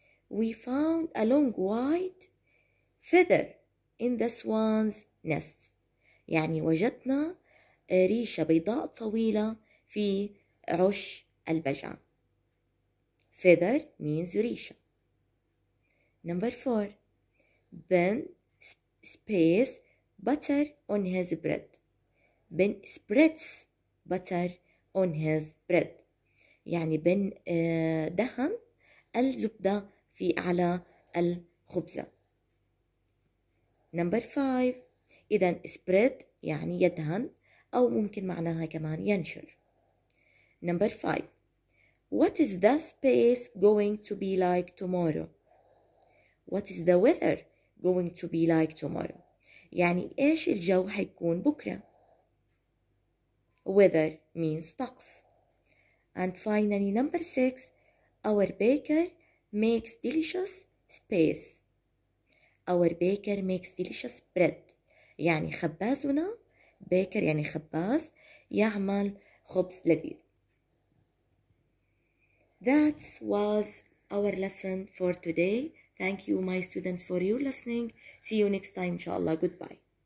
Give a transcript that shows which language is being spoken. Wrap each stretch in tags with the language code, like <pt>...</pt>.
<en>We found a long white feather in the swan's nest.</en> <ar>يعني وجدنا ريشة بيضاء طويلة في عش البجعة.</ar> <en>Feather means ريشة. Number 4. Ben spreads butter on his bread. Ben spreads butter on his bread.</en> <ar>يعني Ben دهن الزبدة في على الخبزة.</ar> <en>Number 5.</en> <ar>إذن spread يعني يدهن أو ممكن معناها كمان ينشر.</ar> <en>Number 5. What is the space going to be like tomorrow? What is the weather going to be like tomorrow?</en> <ar>يعني إيش الجو حيكون بكرة؟</ar> <en>Weather means</en> <ar>طقس.</ar> <en>And finally, number 6, our baker makes delicious space. Our baker makes delicious bread.</en> <ar>يعني خبازنا, baker يعني خباز, يعمل خبز لذيذ.</ar> <en>That was our lesson for today. Thank you, my students, for your listening. See you next time, inshallah. Goodbye.</en>